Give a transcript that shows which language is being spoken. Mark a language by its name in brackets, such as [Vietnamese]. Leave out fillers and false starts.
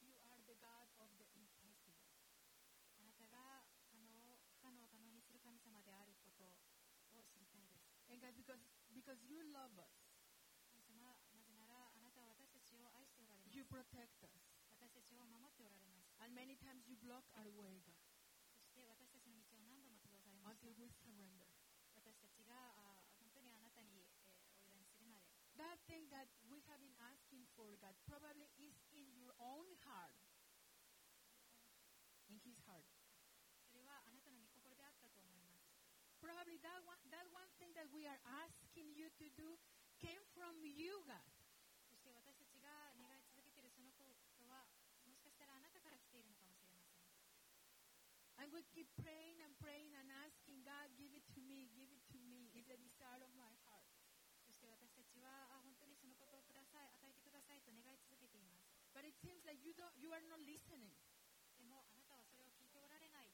[English] You are the God of the impossible. [Japanese] あなたが不可能を可能にする神様であることを知りたいです。 [English] And God, because you love us. [Japanese] 神様、なぜならあなたは私たちを愛しておられます。 [English] You protect us. [Japanese] 私たちを守っておられます。 [English] And many times you block our way, God. [Japanese] そして私たちの道を何度も閉ざされます。 [English] Until we surrender. [Japanese] 私たちが本当にあなたに、お委ねするまで。 [English] That thing that we have been asking for, God, probably is in your own heart. In his heart. [Japanese] それはあなたの御心であったと思います。 [English] Probably that one thing that we are asking you to do came from you, God. [Japanese] 私たちが願い続けているそのことはもしかしたらあなたから来ているのかもしれません。 [English] And we keep praying and praying and asking God, give it to me, give it to me. It's the desire of my heart. [Japanese] そして私たちは本当にそのことをください、与えてくださいと願い続けています。 [English] But it seems like you are not listening. [Japanese] でもあなたはそれを聞いておられない。